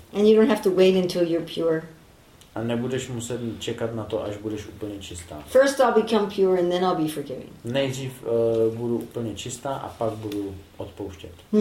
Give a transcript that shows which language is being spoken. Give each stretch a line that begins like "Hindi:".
English: And you don't have to wait until you're pure.
Czech: A nebudeš muset čekat na to, až budeš úplně čistá.
English: First I'll become pure and then I'll be forgiving.
Czech: Nejdřív budu úplně čistá a pak budu odpouštět.